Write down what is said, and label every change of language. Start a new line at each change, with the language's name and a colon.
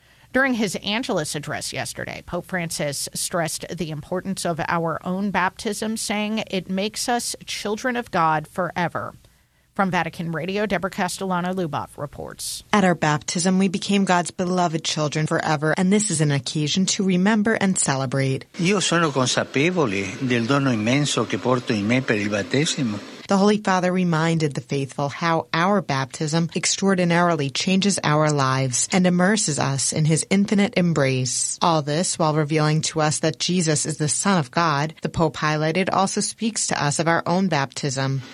English: During his Angelus address yesterday, Pope Francis stressed the importance of our own baptism, saying it makes us children of God forever. From Vatican Radio, Deborah Castellano-Luboff reports. At our baptism, we became God's beloved children forever, and this is an occasion to remember and celebrate.
Italian: Io sono consapevole del dono immenso che porto in me per il battesimo.
English: The Holy Father reminded the faithful how our baptism extraordinarily changes our lives and immerses us in his infinite embrace. All this while revealing to us that Jesus is the Son of God, the Pope highlighted, also speaks to us of our own baptism.